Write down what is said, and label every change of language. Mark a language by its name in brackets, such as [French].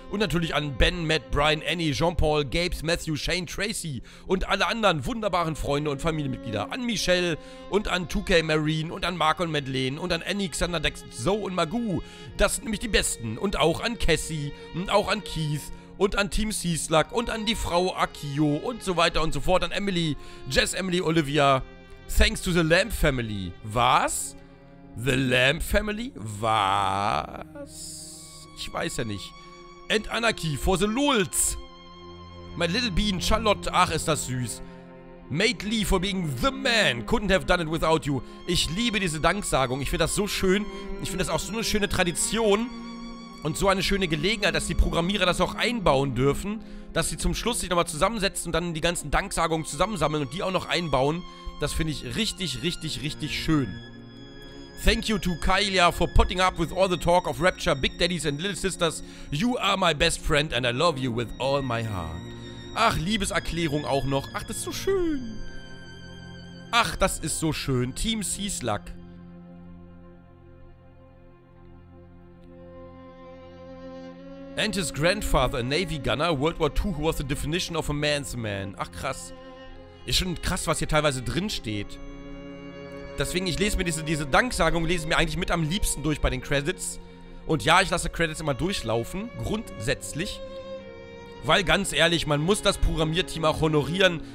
[German] Und natürlich an Ben, Matt, Brian, Annie, Jean-Paul, Gabes, Matthew, Shane, Tracy und alle anderen wunderbaren Freunde und Familienmitglieder. An Michelle und an 2K Marine und an Mark und Madeleine und an Annie, Xander, Dex, Zoe und Magoo. Das sind nämlich die Besten. Und auch an Cassie und auch an Keith. Und an Team Seaslug und an die Frau Akio und so weiter und so fort. An Emily, Jess, Emily, Olivia. [English] Thanks to the Lamp Family. [German] Was? The Lamp Family? Was? Ich weiß ja nicht. [English] And Anarchy for the Lulz. My little bean, Charlotte. [German] Ach, ist das süß. [English] Mate Lee for being the man. Couldn't have done it without you. [German] Ich liebe diese Danksagung. Ich finde das so schön. Ich finde das auch so eine schöne Tradition. Und so eine schöne Gelegenheit, dass die Programmierer das auch einbauen dürfen, dass sie zum Schluss sich nochmal zusammensetzen und dann die ganzen Danksagungen zusammensammeln und die auch noch einbauen, das finde ich richtig, richtig, richtig schön. [English] Thank you to Kylia for putting up with all the talk of Rapture, Big Daddies and Little Sisters. You are my best friend and I love you with all my heart. [German] Ach, Liebeserklärung auch noch. Ach, das ist so schön. Ach, das ist so schön. Team Seaslug. [English] And his grandfather, a Navy Gunner, World War II, who was the definition of a man's man. [German] Ach krass. Ist schon krass, was hier teilweise drin steht. Deswegen, ich lese mir diese Danksagung, lese mir eigentlich mit am liebsten durch bei den Credits. Und ja, ich lasse Credits immer durchlaufen, grundsätzlich. Weil ganz ehrlich, man muss das Programmierteam auch honorieren.